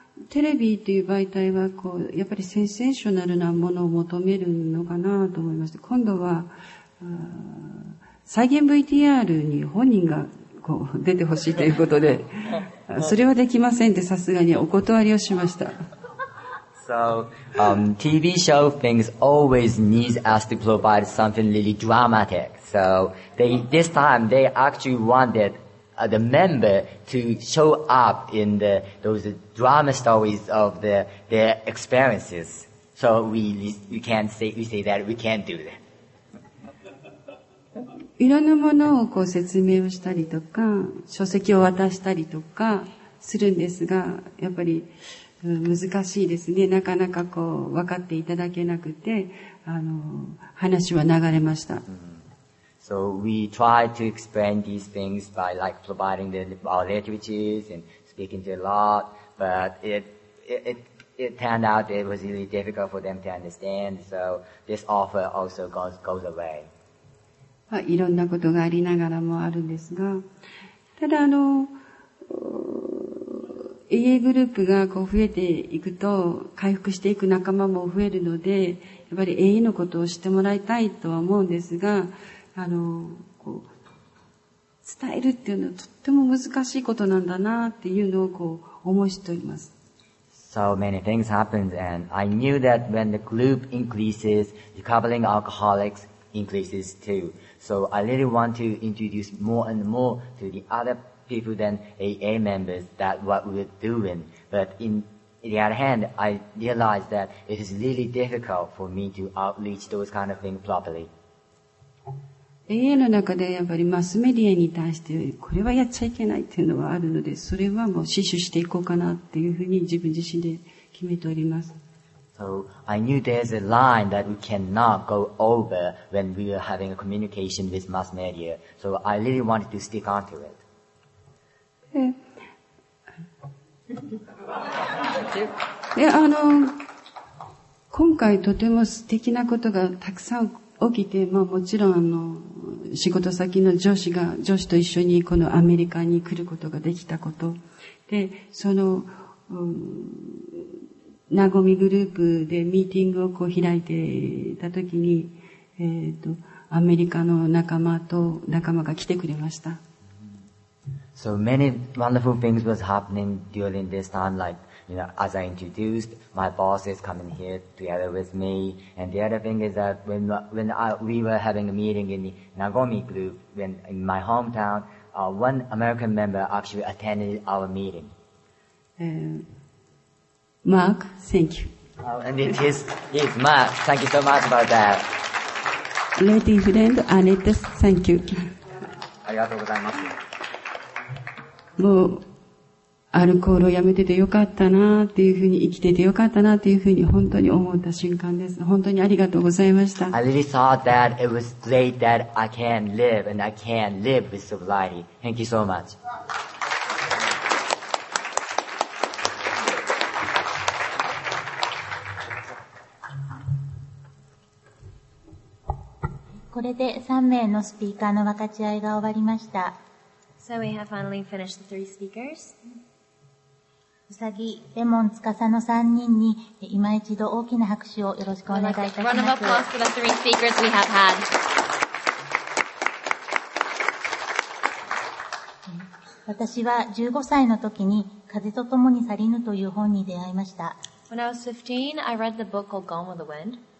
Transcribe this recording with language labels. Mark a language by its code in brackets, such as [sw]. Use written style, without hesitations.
[ja] テレビという媒体はこうやっぱりセンセーショナルなものを求めるのかなと思いまして、今度は再現 VTR に本人がこう出てほしいということで、それはできませんってさすがにお断りをしました。 [en] So, TV show things always needs us to provide something really dramatic. So, this time they actually wanted the member to show up in those drama stories of their experiences. So we say that we can't do that. [ja] いろんなものをこう説明をしたりとか、書籍を渡したりとかするんですが、やっぱり難しいですね。なかなかこう分かっていただけなくて、話は流れました。 [en] So we try to explain these things by like providing our literatures and speaking to a lot, but it turned out it was really difficult for them to understand. So this offer also goes away. [ja] まあ、いろんなことがありながらもあるんですが、ただAA グループがこう増えていくと回復していく仲間も増えるので、やっぱり AA のことを知ってもらいたいとは思うんですが、こう伝えるっていうのはとっても難しいことなんだなっていうのをこう思い知っております。 [en] So many things happen, and I knew that when the group increases, recovering alcoholics increases too. So I really want to introduce more and more to the other people than AA members that what we're doing. But in the other hand, I realized that it is really difficult for me to outreach those kind of things properly. [ja] AA の中でやっぱりマスメディアに対してこれはやっちゃいけないっていうのはあるので、それはもう死守していこうかなっていうふうに自分自身で決めております。 [en] So I knew there's a line that we cannot go over when we are having a communication with mass media. So I really wanted to stick onto it. [ja] で今回とても素敵なことがたくさん起きて、まあ、もちろん仕事先の上司と一緒にこのアメリカに来ることができたこと。で、その、なごみグループでミーティングをこう開いてた時に、アメリカの仲間と仲間が来てくれました。 [en] So many wonderful things was happening during this time, like, you know, as I introduced, my boss is coming here together with me. And the other thing is that when we were having a meeting in the Nagomi group, when in my hometown, one American member actually attended our meeting. Mark, thank you. Oh, and it is, yes, Mark, thank you so much about that. Lady friend, Annette, thank you. [ja] ありがとうございます。もうアルコールをやめててよかったなっていうふうに生きててよかったなっていうふうに本当に思った瞬間です。本当にありがとうございました。 [en] I really thought that it was great that I can live and I can live with sobriety. Thank you so much. [ja] これで3名のスピーカーの分かち合いが終わりました。 [en] So we have finally finished the three speakers. [ja] うさぎ、レモン、つかさの3人に今一度大きな拍手をよろしくお願いいたします。 [en] Round of applause for the three speakers we have had. [ja] 私は15歳の時に風と共に去りぬという本に出会いました。 [en] When I was 15, I read the book called Gone with the Wind.